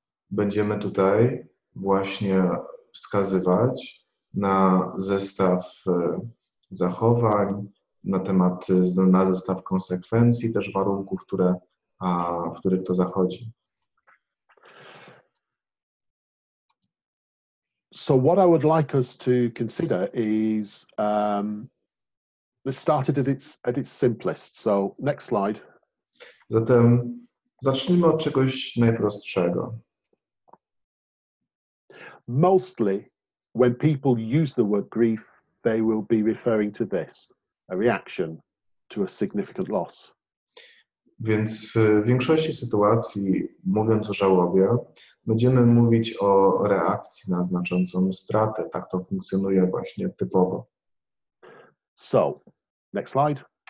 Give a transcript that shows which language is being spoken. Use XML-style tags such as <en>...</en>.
<pl>Będziemy tutaj właśnie wskazywać na zestaw zachowań, na zestaw konsekwencji, też warunków, w których to zachodzi.</pl> <en>So what I would like us to consider is let's start it at its simplest. So next slide.</en> <pl>Zatem zacznijmy od czegoś najprostszego.</pl> <en>Mostly when people use the word grief, they will be referring to this, a reaction to a significant loss.</en> <pl>Więc w większości sytuacji, mówiąc o żałobie, będziemy mówić o reakcji na znaczącą stratę. Tak to funkcjonuje właśnie typowo.</pl> <en>So, next slide.</en>